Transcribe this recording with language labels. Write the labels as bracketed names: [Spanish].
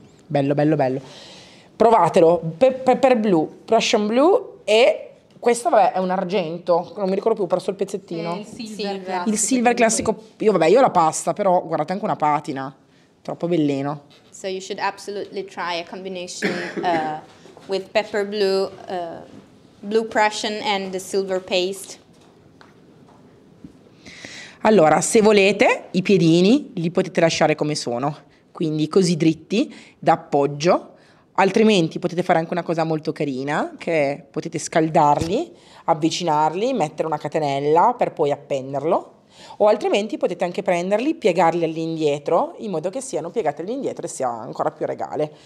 [Italian] Bello, bello, bello. Provatelo, paper blu, Prussian blu e... Questo, vabbè, è un argento, non mi ricordo più, ho perso il pezzettino. Il silver classico. Io, vabbè, io la pasta, però guardate anche una patina. Troppo veleno. [English] So you should absolutely try a combination with pepper blue, blue Prussian and the silver paste. [Italian] Allora, se volete, i piedini li potete lasciare come sono. Quindi così dritti, d'appoggio. Altrimenti potete fare anche una cosa molto carina, che potete scaldarli, avvicinarli, mettere una catenella per poi appenderlo, o altrimenti potete anche prenderli, piegarli all'indietro, in modo che siano piegati all'indietro e sia ancora più regale.